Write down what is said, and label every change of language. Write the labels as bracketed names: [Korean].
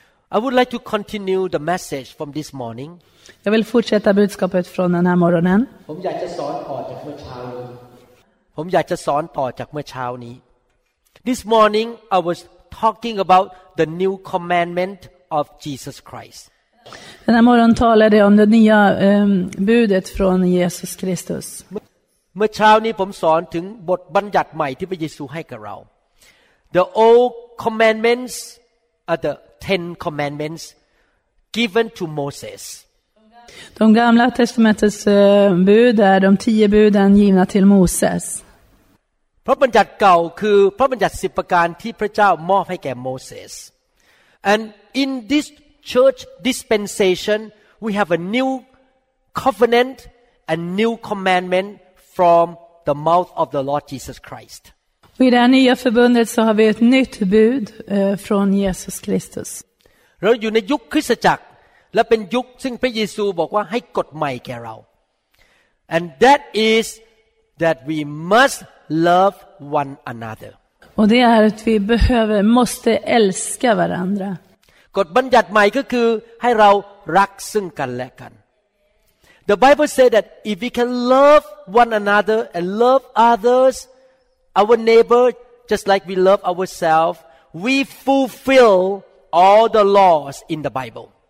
[English] I would like to continue the message from this morning. [Swedish] Jag vill fortsätta budskapet från den här morgonen. [Thai] ผมอยากจะสอนต่อจากเมื่อเช้าผมอยากจะสอนต่อจากเมื่อเช้านี้ [English] This morning I was talking about the new commandment of Jesus Christ. [Swedish] Den här morgonen talade jag om det nya budet från Jesus Kristus. [Thai] เมื่อเช้านี้ผมสอนถึงบทบัญญัติใหม่ที่พระเยซูให้กับเรา [English] The oldCommandments are the Ten Commandments given to Moses. [Swedish] De gamla testamentets bud är de 10 buden givna till Moses. [Thai] พระบัญญัติเก่าคือพระบัญญัติ 10 ประการที่พระเจ้ามอบให้แก่ Moses. [English] And in this church dispensation, we have a new covenant and new commandment from the mouth of the Lord Jesus Christ. [Swedish] Och i det här nya förbundet så har vi ett nytt bud från Jesus Kristus. Vi är i en tid kristendom och det är en tid som Jesus säger att vi ska ha en ny lag. [English] And that is that we must love one another. [Swedish] Och det är att vi behöver måste älska varandra. Lagen är att vi ska älska varandra. [English] The Bible says that if we can love one another and love others. Our neighbor, just like we love ourselves, we fulfill all the laws in the Bible.